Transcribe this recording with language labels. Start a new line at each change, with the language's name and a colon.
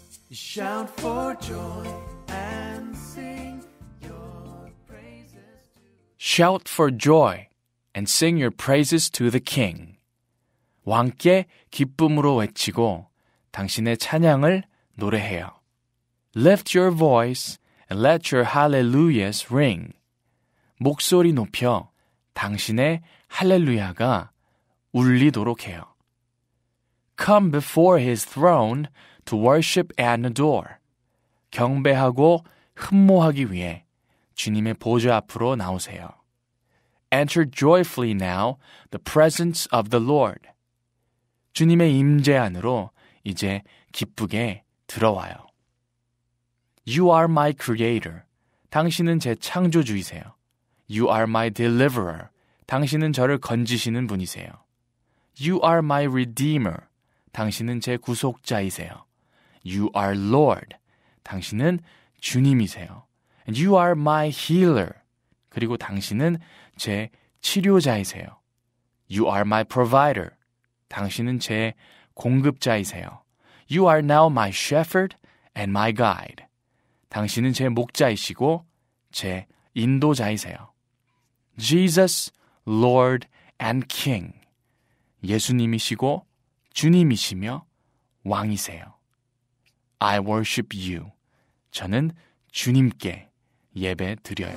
English: Shout for joy and sing your praises to Shout for joy and sing your praises to the King.
Korean: 왕께 기쁨으로 외치고 당신의 찬양을 노래해요.
English: Lift your voice and let your hallelujahs ring.
Korean: 목소리 높여 당신의 할렐루야가 울리도록 해요.
English: come before his throne to worship and adore.
Korean: 경배하고 흠모하기 위해 주님의 보좌 앞으로 나오세요.
English: Enter joyfully now the presence of the Lord.
Korean: 주님의 임재 안으로 이제 기쁘게 들어와요.
English: You are my creator.
Korean: 당신은 제 창조주이세요.
English: You are my deliverer.
Korean: 당신은 저를 건지시는 분이세요.
English: You are my redeemer.
Korean: 당신은 제 구속자이세요.
English: You are Lord.
Korean: 당신은 주님이세요.
English: And you are my healer.
Korean: 그리고 당신은 제 치료자이세요.
English: You are my provider.
Korean: 당신은 제 공급자이세요.
English: You are now my shepherd and my guide.
Korean: 당신은 제 목자이시고 제 인도자이세요.
English: Jesus, Lord and King.
Korean: 예수님이시고 주님이시며 왕이세요.
English: I worship you.
Korean: 저는 주님께 예배 드려요.